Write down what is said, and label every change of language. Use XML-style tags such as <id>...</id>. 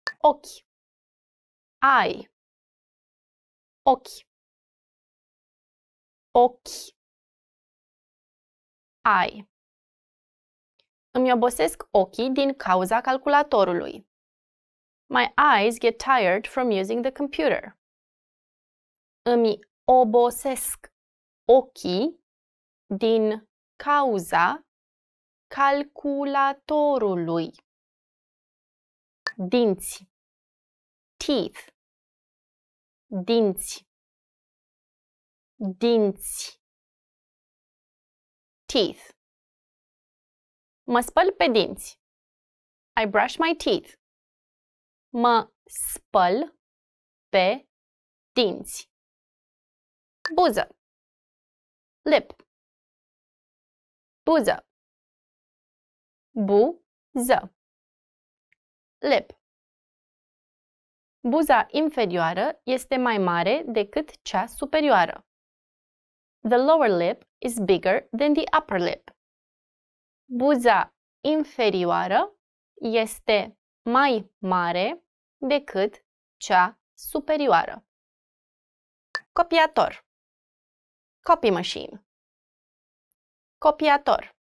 <ro>Ochi.</ro> <en>Ai.</en> <ro>Ochi. Ochi.</ro> <en>Ai.</en> <ro>Îmi obosesc ochii din cauza calculatorului.</ro> <en>My eyes get tired from using the computer.</en> <ro>Îmi obosesc ochii din cauza calculatorului. Dinți.</ro> <en>Teeth.</en> <ro>Dinți. Dinți.</ro> <en>Teeth.</en> <ro>Mă spăl pe dinți.</ro> <en>I brush my teeth.</en> <ro>Mă spăl pe dinți. Buză.</ro> <en>Lip.</en> <ro>Buză. Buză.</ro> <en>Lip.</en> <ro>Buza inferioară este mai mare decât cea superioară.</ro> <en>The lower lip is bigger than the upper lip.</en> <ro>Buza inferioară este mai mare decât cea superioară. Copiator.</ro> <en>Copy machine.</en> <ro>Copiator.</ro>